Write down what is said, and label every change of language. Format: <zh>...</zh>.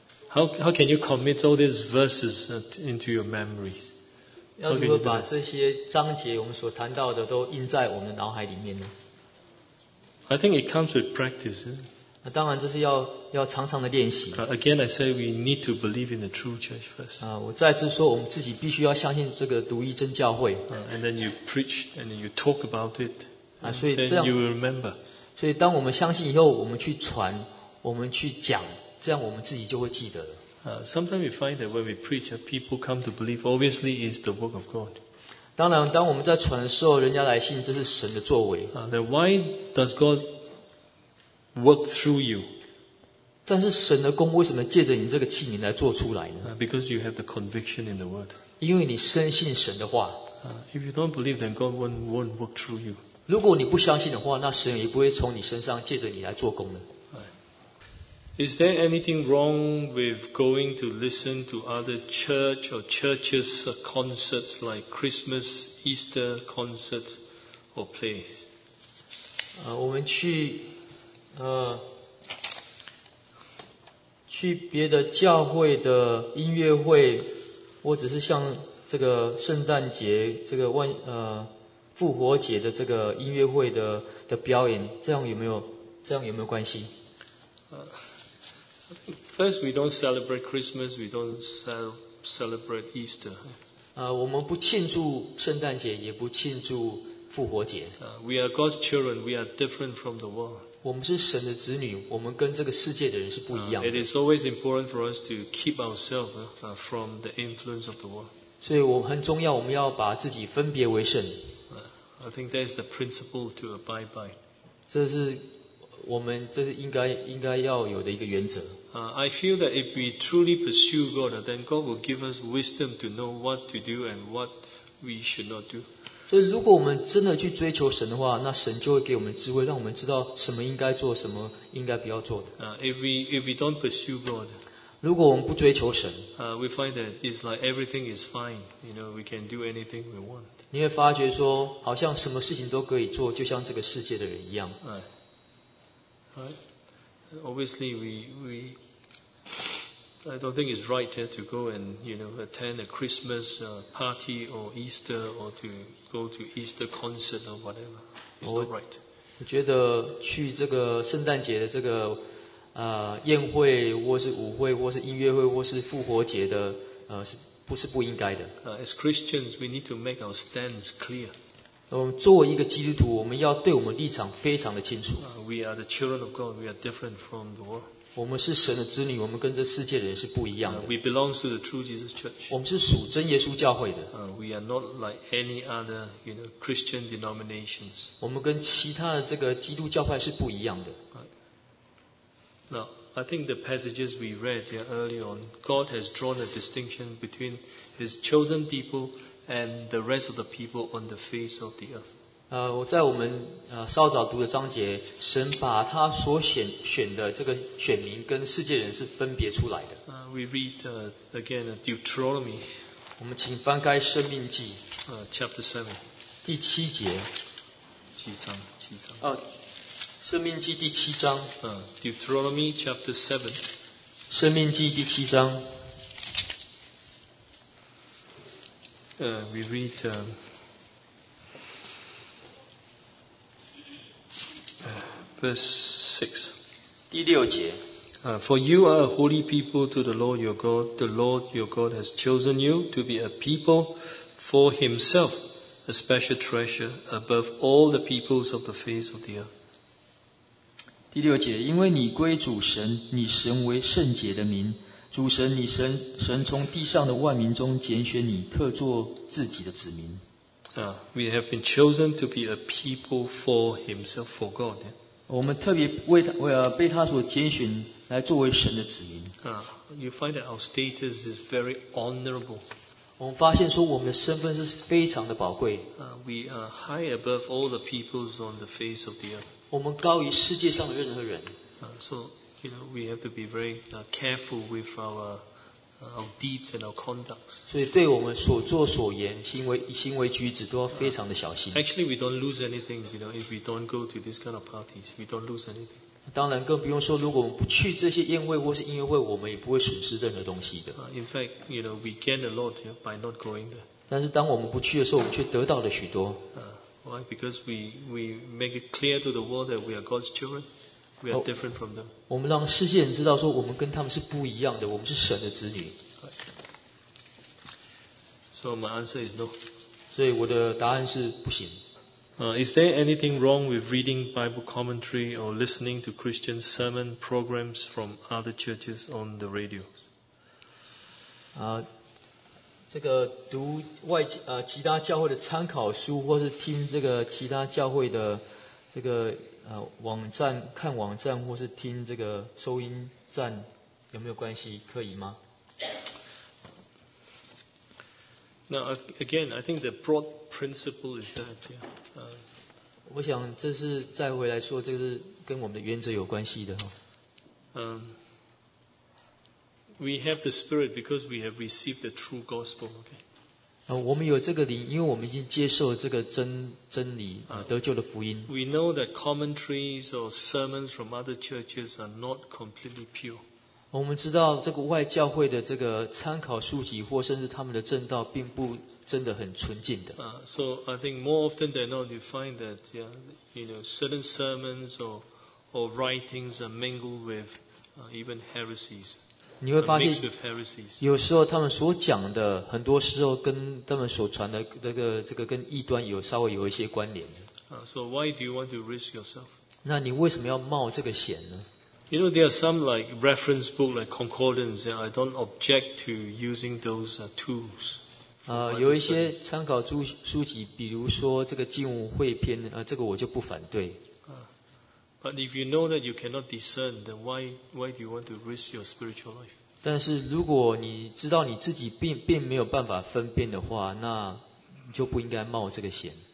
<en>How can you commit all these verses into your memories?</en> <zh>要如何把这些章节我们所谈到的都印在我们的脑海里面呢？</zh> <en>I think it comes with practice, isn't it?</en> <zh>当然这是 要常常的练习。</zh> <en>Again, I say we need to believe in the true church first.</en> <zh>我再次说我们自己必须要相信这个独一真教会。</zh> <en>And then you preach, and then you talk about it, and so then you will remember.</en> <zh>所以当我们相信以后我们去传我们去讲，这样我们自己就会记得了。</zh> <en>Sometimes we find that when we preach, people come to believe. Obviously, it's the work of God.</en> <zh>当然，当我们在传的时候，人家来信，这是神的作为。</zh> <en>Then why does God work through you?</en> <zh>但是神的工为什么借着你这个器皿来做出来呢？</zh> <en>Because you have the conviction in the word.</en> <zh>因为你深信神的话。</zh> <en>If you don't believe, then God won't work through you.</en> <zh>如果你不相信的话，那神也不会从你身上借着你来做工的。</zh> <en>Is there anything wrong with going to listen to other church or churches concerts like Christmas, Easter concerts or plays?</en> <zh>我们去去别的教会的音乐会，或者是像这个圣诞节、这个复活节的这个音乐会的表演，这样有没有关系？</zh> <en>First, we don't celebrate Christmas, we don't celebrate Easter.</en> <zh>我们不庆祝圣诞节，也不庆祝复活节。</zh> <en>We are God's children, we are different from the world.</en> <zh>我们是神的子女，我们跟这个世界的人是不一样的。</zh> <en>It is always important for us to keep ourselves from the influence of the world.</en> <zh>所以我们很重要，我们要把自己分别为圣。</zh> <en>I think that is the principle to abide by.</en> <zh>这是我们这是应该要有的一个原则。</zh> <en>I feel that if we truly pursue God, then God will give us wisdom to know what to do and what we should not do.</en> <zh>所以如果我们真的去追求神的话，那神就会给我们智慧，让我们知道什么应该做，什么应该不要做的。</zh> <en>If we don't pursue God,</en> <zh>如果我们不追求神，</zh> <en>we find that it's like everything is fine. You know, we can do anything we want.</en> <zh>你会发觉说，好像什么事情都可以做，就像这个世界的人一样。</zh> <en>Right. Obviously, I don't think it's right to go and, you know, attend a Christmas party or Easter or to go to Easter concert or whatever. It's not right.</en> <zh>我觉得去这个圣诞节的这个宴会，或是舞会，或是音乐会，或是复活节的是不是不应该的？</zh> <en>As Christians, we need to make our stands clear.</en> <zh>作为一个基督徒，我们要对我们立场非常的清楚。</zh> <en>We are the children of God. We are different from the world.</en> <zh>我们是神的子女，我们跟这世界的人是不一样的。</zh> <en>We belong to the true Jesus Church.</en> <zh>我们是属真耶稣教会的。</zh> <en>We are not like any other, you know, Christian denominations.</en> <zh>我们跟其他的这个基督教派是不一样的。</zh> <en>Now, I think the passages we read early on, God has drawn a distinction between His chosen people. And the rest of the people on the face of the earth.</en> <zh>我在我们稍早读的章节，神把他所选的这个选民跟世界人是分别出来的。</zh> <en>We read again Deuteronomy.</en> <zh>我们请翻开《生命记》</zh> <en>chapter 7,</en> <zh>第七节。七章。 《生命记》第七章。</zh> <en>Deuteronomy chapter 7,</en> <zh>生命记第七章。</zh> <en>We read verse</en> <zh>6. 第六节。</zh> <en>For you are a holy people to the Lord your God. The Lord your God has chosen you to be a people for himself, a special treasure above all the peoples of the face of the earth.</en> <zh>第六节，因为你归主神，你神为圣洁的名，主神你神神从地上的万民中拣选你，特作自己的子民。</zh> <en>We have been chosen to be a people for Himself, for God.</en> <zh>我们特别为他为被他所拣选来作为神的子民。</zh> <en>You find that our status is very honorable.</en> <zh>我们发现说我们的身份是非常的宝贵。</zh> <en>We are high above all the peoples on the face of the earth.</en> <zh>我们高于世界上的任何人。</zh> <en>So you know we have to be very careful with our deeds and our conducts.</en> <zh>所以对我们所作所言、行为举止都要非常的小心。</zh> <en>Actually, we don't lose anything. You know, if we don't go to this kind of parties, we don't lose anything.</en> <zh>当然，更不用说，如果我们不去这些宴会或是音乐会，我们也不会损失任何东西的。</zh> <en>In fact, you know, we gain a lot by not going there.</en> <zh>但是当我们不去的时候，我们却得到了许多。</zh> <en>Why? Because we make it clear to the world that we are God's children. We are different from them.</en> <zh>我们让世界人知道说我们跟他们是不一样的，我们是神的子女。</zh> <en>So my answer is no.</en> <zh>所以我的答案是不行。</zh> <en>Is there anything wrong with reading Bible commentary or listening to Christian sermon programs from other churches on the radio?</en> <zh>这个读外其他教会的参考书，或是听这个其他教会的这个网站，看网站或是听这个收音站，有没有关系？可以吗？</zh> <en>Now again, I think the broad principle is that,</en> <zh>我想这是再回来说，这是跟我们的原则有关系的。</zh> <en>We have the Spirit because we have received the true gospel. Okay.</en> <zh>我们有这个灵，因为我们已经接受这个真理得救的福音。</zh> <en>We know that commentaries or sermons from other churches are not completely pure.</en> <zh>我们知道这个外教会的这个参考书籍或甚至他们的正道并不真的很纯净的。</zh> <en>So I think more often than not, you find that you know certain sermons or writings are mingled with even heresies.</en> <zh>你会发现有时候他们所讲的很多时候跟他们所传的这个跟异端有稍微有一些关联。</zh> <en>So why do you want to risk yourself?</en> <zh>那你为什么要冒这个险呢？</zh> <en>You know, there are some like reference book like concordance, I don't object to using those tools.</en> <zh>有一些参考书籍，比如说这个经文汇编，这个我就不反对。</zh> <en>But if you know that you cannot discern, then why do you want to risk your spiritual life?</en> <zh>但是如果你知道你自己并没有办法分辨的话，那你就不应该冒这个险。</zh>